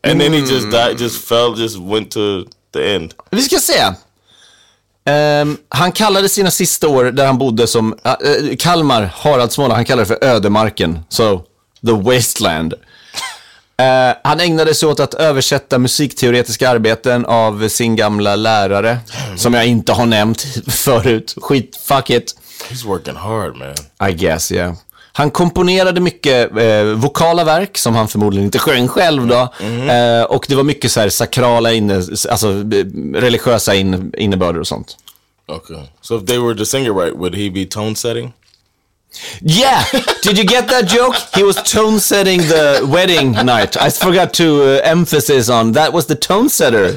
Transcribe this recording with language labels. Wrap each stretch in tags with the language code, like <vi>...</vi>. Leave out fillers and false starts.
<en>And then he just died, just fell, just went to the end.</en> <sv>Vi ska se. Han kallade sina sista år där han bodde som Kalmar, Haraldsmåla, han kallade det för ödemarken.</sv> <en>So, the wasteland.</en> <sv>Han ägnade sig åt att översätta musikteoretiska arbeten av sin gamla lärare, som jag inte har nämnt förut.</sv> <en>Shit, fuck it. He's working hard, man. I guess, yeah.</en> <sv>Han komponerade mycket vokala verk som han förmodligen inte sjöng själv då.</sv> <en>Mm-hmm.</en> <sv>Och det var mycket så här sakrala alltså religiösa innebörder och sånt.</sv> <en>Okay. So if they were to sing it right, would he be tone setting? Yeah. Did you get that joke? He was tone setting the wedding night. I forgot to emphasize on that was the tone setter.</en>